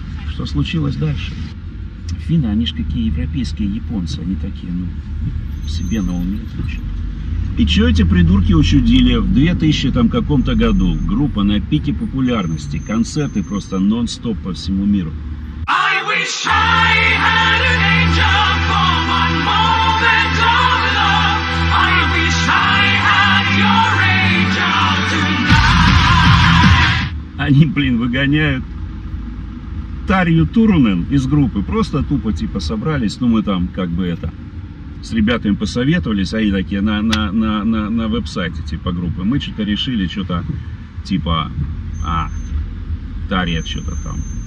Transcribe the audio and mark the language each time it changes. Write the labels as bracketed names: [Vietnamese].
[Russian] Что случилось дальше? Финны, они же какие европейские японцы, они такие, ну, себе на уме звучат. И что эти придурки учудили в 2000 там каком-то году? Группа на пике популярности, концерты просто нон-стоп по всему миру. [English] I wish I had an angel for my moment of love. I wish I had your angel tonight. [Russian] Они, блин, выгоняют Тарью Туррунен из группы. Просто тупо типа собрались, ну мы там как бы это... С ребятами посоветовались, они такие на веб-сайте типа группы. Мы что-то решили, что-то типа, а, Тарья что-то там.